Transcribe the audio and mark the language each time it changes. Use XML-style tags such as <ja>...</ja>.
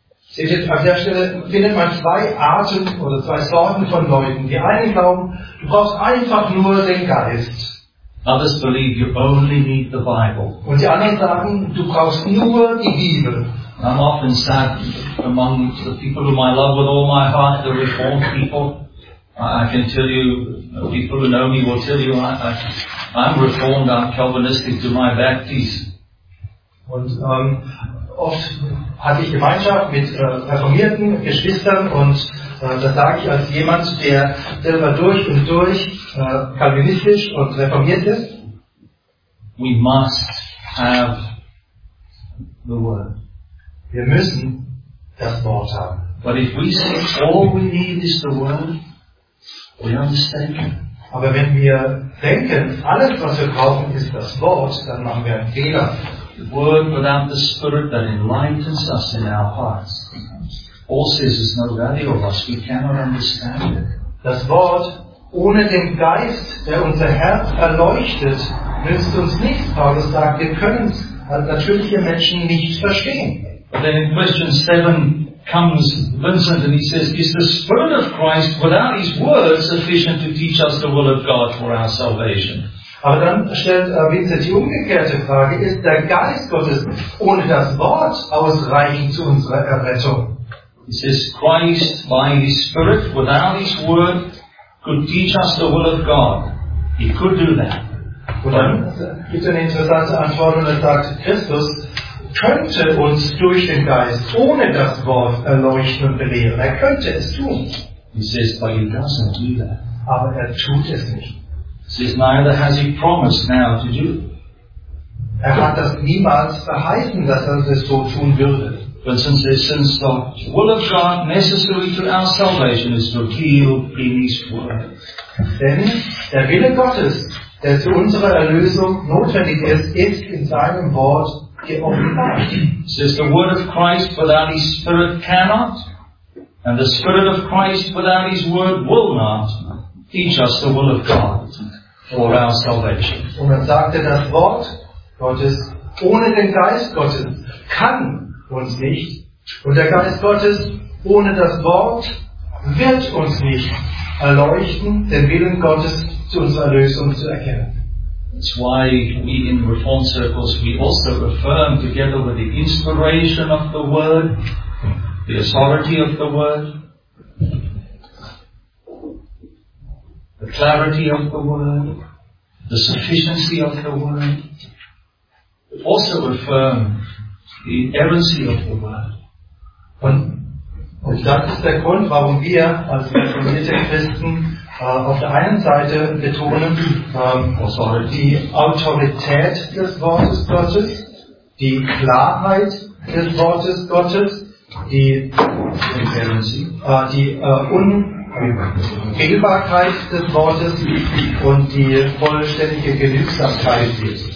<de>Seht ihr, an der Stelle findet man zwei Arten oder zwei Sorten von Leuten. Die einen glauben, du brauchst einfach nur den Geist.</de> <en>Others believe you only need the Bible.</en> <de>Und die anderen sagen, du brauchst nur die Bibel.</de> <en>I'm often sad among the people whom I love with all my heart, the Reformed people. I can tell you, people who know me will tell you, I'm Reformed, I'm Calvinistic to my back teeth.</en> <de>Und oft hatte ich Gemeinschaft mit reformierten Geschwistern und das sage ich als jemand, der selber durch und durch kalvinistisch und reformiert ist.</de> <en>We must have the Word.</en> <de>Wir müssen das Wort haben.</de> <en>But if we say all we need is the Word, we are mistaken.</en> <de>Aber wenn wir denken, alles was wir brauchen ist das Wort, dann machen wir einen Fehler.</de> <en>The Word without the Spirit that enlightens us in our hearts. Paul says it's no value of us. We cannot understand it.</en> <de>Das Wort ohne den Geist, der unser Herz erleuchtet, nützt uns nichts. Paulus sagt, wir können es als natürliche Menschen nicht verstehen.</de> <en>But then in question 7 comes Vincent and he says, is the Spirit of Christ without his word sufficient to teach us the will of God for our salvation?</en> <de>Aber dann stellt Vincent die umgekehrte Frage, ist der Geist Gottes ohne das Wort ausreichend zu unserer Errettung?</de> <en>He says, Christ by his Spirit without his word could teach us the will of God. He could do that.</en> <de>Und dann gibt es eine interessante Antwort und er sagt, Christus könnte uns durch den Geist ohne das Wort erleuchten und belehren. Er könnte es tun.</de> <en>He says, but he doesn't do that.</en> <de>Aber er tut es nicht.</de> <en>He says, neither has he promised now to do.</en> <de>Er hat das niemals verheißen, dass er das so tun würde.</de> <en>But since the will of God necessary to our salvation is revealed in his word.</en> <de>Denn der Wille Gottes, der zu unserer Erlösung notwendig ist, ist in seinem Wort geoffenbart.</de> <en>Says the word of Christ without his Spirit cannot, and the Spirit of Christ without his word will not teach us the will of God for our salvation.</en> <de>Und er sagte, das Wort Gottes ohne den Geist Gottes kann uns nicht, und der Geist Gottes ohne das Wort wird uns nicht erleuchten, den Willen Gottes zu unserer Erlösung zu erkennen.</de> <en>That's why we in Reformed circles we also affirm together with the inspiration of the Word, the authority of the Word, the clarity of the Word, the sufficiency of the Word, also affirm the inerrancy of the Word.</en> <de>Und das ist der Grund, warum wir als reformierte Christen auf der einen Seite betonen die Autorität des Wortes Gottes, die Klarheit des Wortes Gottes, Unfehlbarkeit des Wortes und die vollständige Genügsamkeit des Wortes.</de>